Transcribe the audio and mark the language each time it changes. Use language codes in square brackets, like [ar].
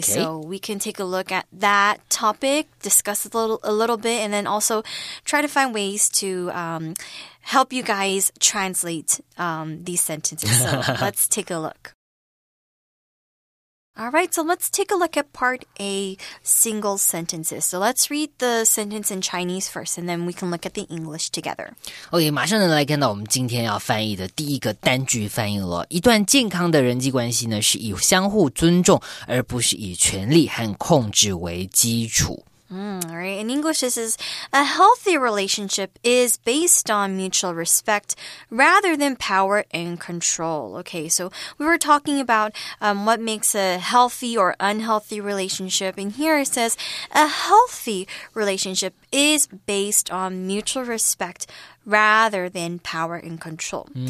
[en] So we can take a look at that topic, discuss a little bit, and then also try to find ways to help you guys translate these sentences. So let's take a look. All right, so let's take a look at part A, single sentences. So let's read the sentence in Chinese first, and then we can look at the English together. [zh] OK, 马上来看到我们今天要翻译的第一个单句翻译了。一段健康的人际关系呢，是以相互尊重，而不是以权力和控制为基础。 [en] All right. In English, this is a healthy relationship is based on mutual respect rather than power and control. Okay, so we were talking about what makes a healthy or unhealthy relationship. And here it says a healthy relationship is based on mutual respect rather than power and control.